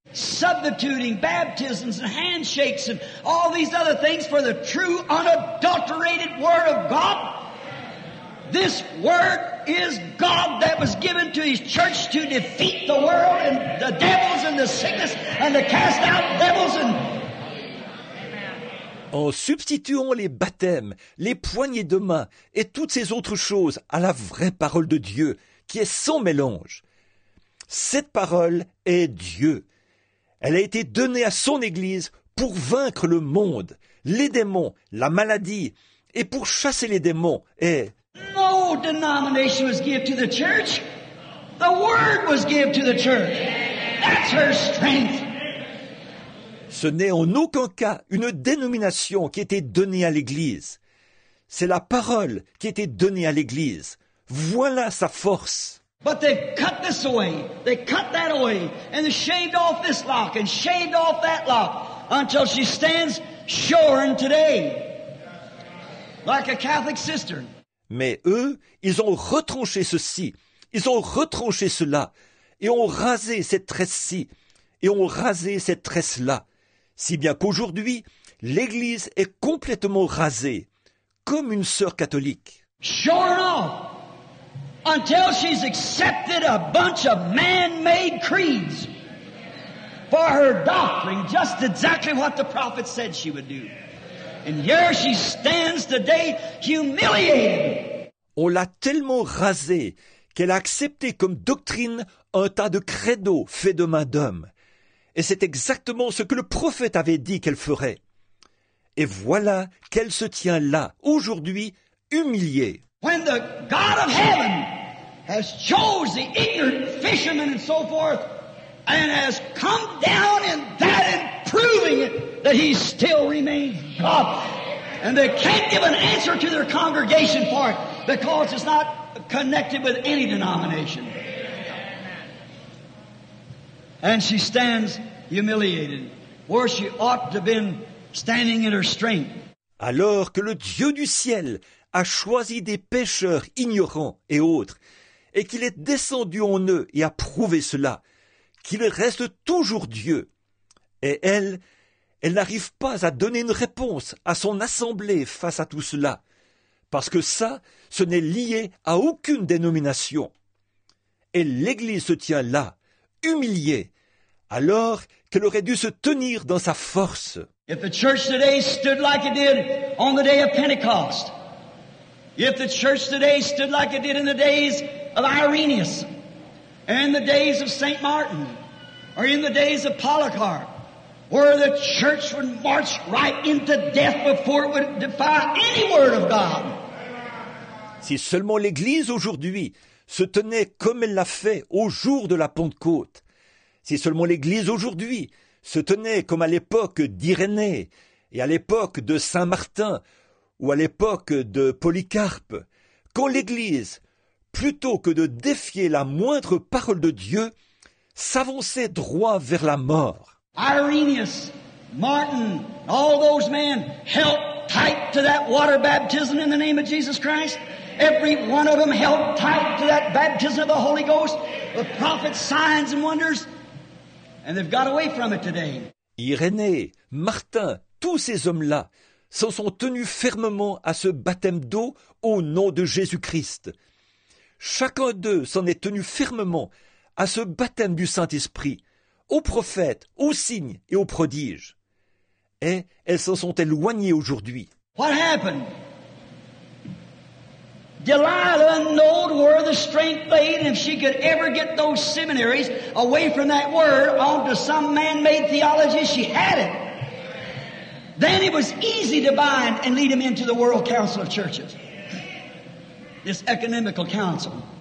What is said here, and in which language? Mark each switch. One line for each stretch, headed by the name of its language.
English: Substituting baptisms and handshakes and all these other things for the true, unadulterated word of God. This word is God that was given to his church to defeat the world and the devils and the sickness and to cast out devils and...
French: En substituant les baptêmes, les poignées de main et toutes ces autres choses à la vraie parole de Dieu qui est sans mélange. Cette parole est Dieu. Elle a été donnée à son Église pour vaincre le monde, les démons, la maladie, et pour chasser les démons. Et
English: no denomination was given to the church. The word was given to the church. That's her strength.
French: Ce n'est en aucun cas une dénomination qui était donnée à l'Église. C'est la parole qui était donnée à l'Église. Voilà sa force.
English: But they cut this away, they cut that away, and they shaved off this lock and shaved off that lock until she stands shorn today, like a Catholic cistern.
French: Mais eux, ils ont retranché ceci, ils ont retranché cela, et ont rasé cette tresse-ci, et ont rasé cette tresse-là. Si bien qu'aujourd'hui, l'Église est complètement rasée, comme une sœur catholique.
English: Shorn off! Until she's accepted a bunch of man-made creeds for her doctrine, just exactly what the prophet said she would do. And here she stands today, humiliated.
French: On l'a tellement rasée qu'elle a accepté comme doctrine un tas de credos faits de main d'homme. Et c'est exactement ce que le prophète avait dit qu'elle ferait. Et voilà qu'elle se tient là, aujourd'hui, humiliée.
English: When the God of heaven has chosen the ignorant fishermen and so forth and has come down in that and proving it that he still remains God. And they can't give an answer to their congregation for it because it's not connected with any denomination. And she stands humiliated where she ought to have been standing in her strength.
French: Alors que le Dieu du ciel a choisi des pécheurs ignorants et autres, et qu'il est descendu en eux et a prouvé cela, qu'il reste toujours Dieu. Et elle n'arrive pas à donner une réponse à son assemblée face à tout cela, parce que ça, ce n'est lié à aucune dénomination. Et l'Église se tient là, humiliée, alors qu'elle aurait dû se tenir dans sa force.
English: If the church today stood like it did on the day of Pentecost, if the church today stood like it did in the days of Irenaeus, and in the days of St. Martin, or in the days of Polycarp, where the church would march right into death before it would defy any word of God.
French: Si seulement l'Église aujourd'hui se tenait comme elle l'a fait au jour de la Pentecôte, si seulement l'Église aujourd'hui se tenait comme à l'époque d'Irénée et à l'époque de Saint Martin, ou à l'époque de Polycarpe, quand l'Église, plutôt que de défier la moindre parole de Dieu, s'avançait droit vers la mort.
English: Irenaeus, Martin, all those men held tight to that water baptism in the name of Jesus Christ. Every one of them held tight to that baptism of the Holy Ghost, the prophets, signs and wonders, and they've got away from it today.
French: Irénée, Martin, tous ces hommes-là, s'en sont tenus fermement à ce baptême d'eau au nom de Jésus-Christ. Chacun d'eux s'en est tenu fermement à ce baptême du Saint-Esprit, aux prophètes, aux signes et aux prodiges. Et elles s'en sont éloignées aujourd'hui.
English: What happened? Delilah knew where the strength lay, and if she could ever get those seminaries away from that word onto some man-made theology, she had it. Then it was easy to bind and lead him into the World Council of Churches, this ecumenical council.